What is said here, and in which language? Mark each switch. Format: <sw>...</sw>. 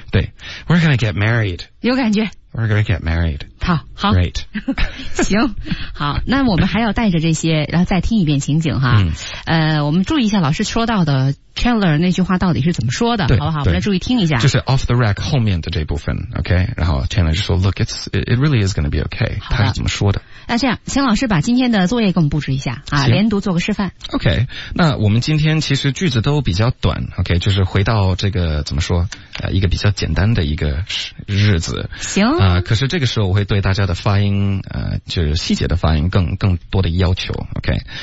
<en>对 We're gonna get married</en> <zh>有感觉</zh> <en>We're gonna get married.</en> <zh>好</zh> <en>Great.</en> <zh>行好那我们还要带着这些然后再听一遍情景哈、嗯、我们注意一下老师说到的 Chandler 那句话到底是怎么说的好不好我们来注意听一下。就是 off the rack 后面的这部分 ,ok? 然后 Chandler 就说</zh> <en>look, it really is gonna be ok.</en> <zh>他是怎么说的那这样请老师把今天的作业给我们布置一下啊连读做个示范。 ok, 那我们今天其实句子都比较短 ,ok? 就是回到这个怎么说一个比较简单的一个日子。行。可是这个时候我会对大家的发音就是细节的发音更多的要求 ,OK?</zh>